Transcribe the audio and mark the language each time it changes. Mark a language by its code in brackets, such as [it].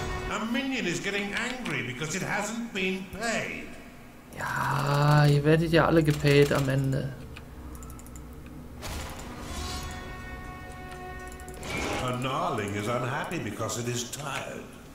[en] A minion is getting angry because it hasn't been paid. [de] Ja, ihr werdet ja alle gepaid am Ende. [en] Gnarling is unhappy because it is tired.